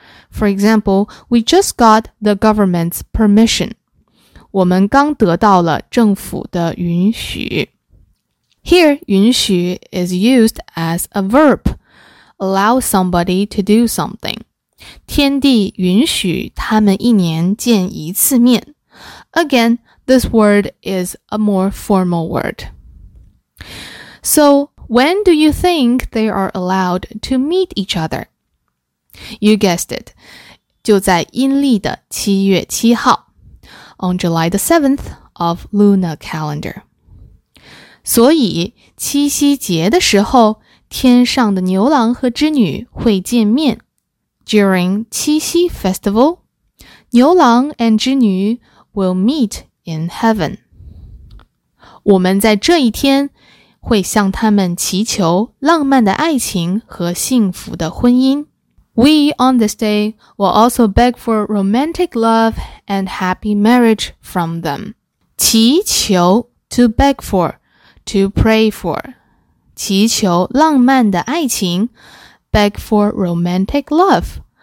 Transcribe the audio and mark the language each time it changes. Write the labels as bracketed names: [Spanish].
[English] For example, we just got the government's permission. [Chinese] 我们刚得到了政府的允许。 [English] Here, 允许 is used as a verb. Allow somebody to do something. [Chinese] 天地允许他们一年见一次面。 [English] Again, this word is a more formal word. So, when do you think they are allowed to meet each other? You guessed it. [Chinese] 就在阴历的七月七号。 [English] On July the 7th of lunar calendar. [Chinese] 所以七夕节的时候天上的牛郎和织女会见面。 [English] During 七夕 festival, 牛郎 and 织女will meet in heaven. [Chinese] 我们在这一天会向他们祈求浪漫的爱情和幸福的婚姻。 [English] We on this day will also beg for romantic love and happy marriage from them. 祈求 to beg for, to pray for. [Chinese] 祈求浪漫的爱情 [English] beg for romantic love,